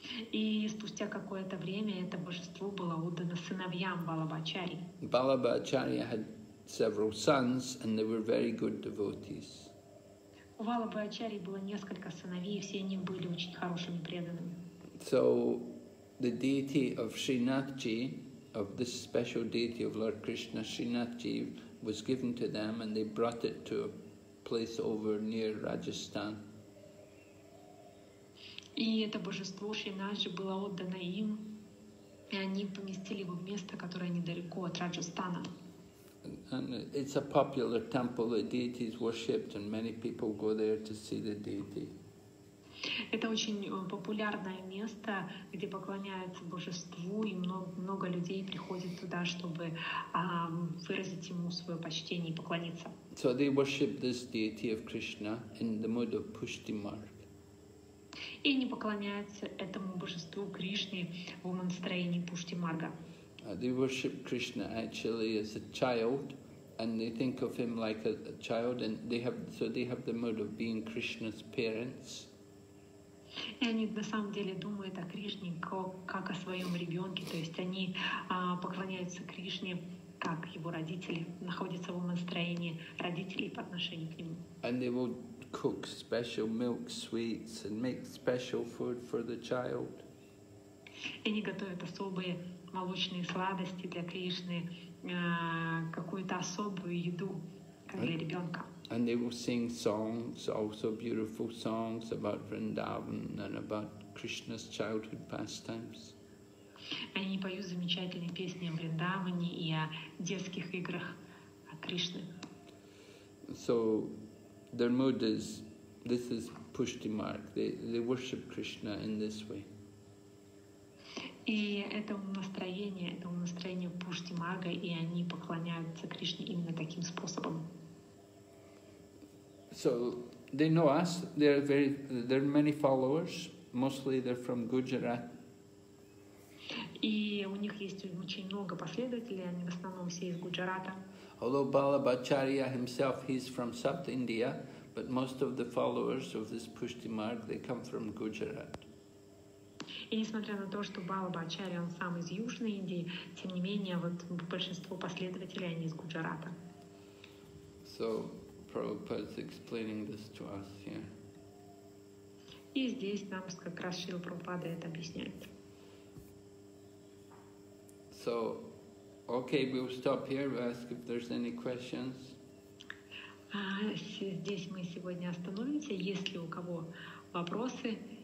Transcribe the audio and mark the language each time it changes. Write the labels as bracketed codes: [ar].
[ru] И спустя какое-то время это божество было отдано сыновьям Балабхачарьи. [en] Balabhacharya had several sons and they were very good devotees. [ru] У Балабхачарьи было несколько сыновей, и все они были очень хорошими преданными. [en] So the deity of Srinathji, of this special deity of Lord Krishna, Srinathji, was given to them and they brought it to a place over near Rajasthan. [ru] И это божество Шринатджи было отдано им, и они поместили его в место, которое недалеко от Раджастана. [en] And it's a popular temple, the deity is worshipped and many people go there to see the deity. [ru] Это очень популярное место, где поклоняются божеству, и много людей приходит туда, чтобы выразить ему свое почтение и поклониться. [en] So they worship this deity of Krishna in the mood of Pushtimarg. [ru] И они поклоняются этому божеству Кришне в умонастроении Пуштимарга. [en] They worship Krishna actually as a child, and they think of him like a child, and they have the mood of being Krishna's parents. [ru] Они на самом деле думают о Кришне как о своем ребенке, то есть они поклоняются Кришне как его родители, находятся в умонастроении родителей по отношению к нему. [en] And they will cook special milk sweets and make special food for the child. [ru] И они готовят особые молочные сладости для Кришны, какую-то особую еду для ребенка. [en] And they will sing songs, also beautiful songs about Vrindavan and about Krishna's childhood pastimes. [ru] Они поют замечательные песни о Вриндаване и о детских играх Кришны. [en] So their mood is, this is Pushtimarg. They worship Krishna in this way. [ru] И это настроение Пуштимарга, и они поклоняются Кришне именно таким способом. [en] So they know us. There are many followers. Mostly they're from Gujarat. [ru] И у них есть очень много последователей. Они в основном все из Гуджарата. [en] Although Balabhacharya himself, he's from South India, but most of the followers of this Pushtimarg, they come from Gujarat. [ru] И несмотря на то, что Балабхачарья, он сам из Южной Индии, тем не менее, вот большинство последователей, они из Гуджарата. [en] So, Prabhupada is explaining this to us here. [ru] И здесь нам как раз Шрила Прабхупада это объясняет. [en] So, okay, we'll stop here, we'll ask if there's any questions. [ru] Здесь мы сегодня остановимся, есть ли у кого вопросы.